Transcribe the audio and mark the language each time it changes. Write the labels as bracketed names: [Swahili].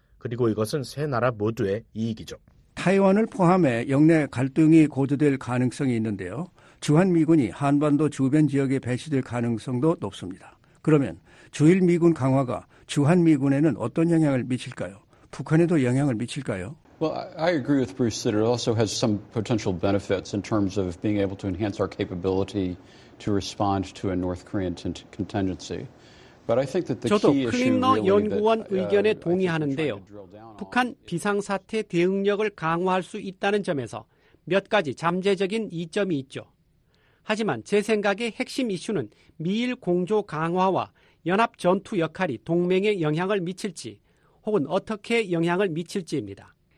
[Korean] 그리고 이것은 세 나라 모두의 이익이죠. 타이완을 포함해 영내 갈등이 고조될 가능성이 있는데요. 주한미군이 한반도 주변 지역에 배치될 가능성도 높습니다. 그러면 주일미군 강화가 주한미군에는 어떤 영향을 미칠까요? 북한에도 영향을 미칠까요? [English] Well, I agree with Bruce that it also has some potential benefits in terms of being able to enhance our capability to respond to a North Korean contingency. But I think that the key issue really that [Korean] 저도 클링너 연구원 의견에 동의하는데요. 북한 비상사태 대응력을 강화할 수 있다는 점에서 몇 가지 잠재적인 이점이 있죠. 하지만 제 생각의 핵심 이슈는 미일 공조 강화와 연합 전투 역할이 동맹에 영향을 미칠지 혹은 어떻게 영향을 미칠지입니다.